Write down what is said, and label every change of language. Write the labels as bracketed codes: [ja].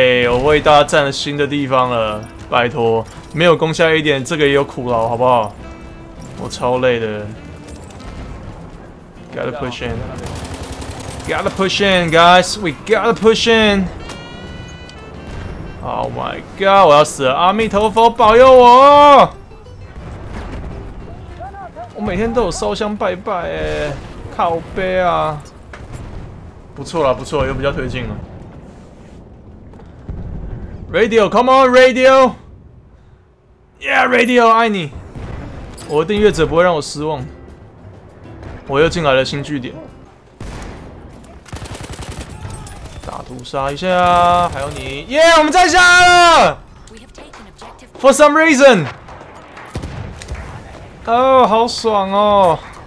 [zh] 我为大家占了新的地方了，拜托，没有攻下一点，这个也有苦劳，好不好？我超累的 ， [en] gotta push in。 Gotta push in, guys. We gotta push in. Oh my god! [zh] 我要死了！阿弥陀佛，保佑我！我每天都有烧香拜拜耶，靠背啊！不错了，不错，又比较推进了。 [en] Radio, come on, radio. Yeah, radio, [zh] 爱你。我的订阅者不会让我失望。我又进来了新据点。屠杀一下，还有你，耶、yeah, ！我们占下了。 [en] For some reason， [zh] 哦、oh, ，好爽哦！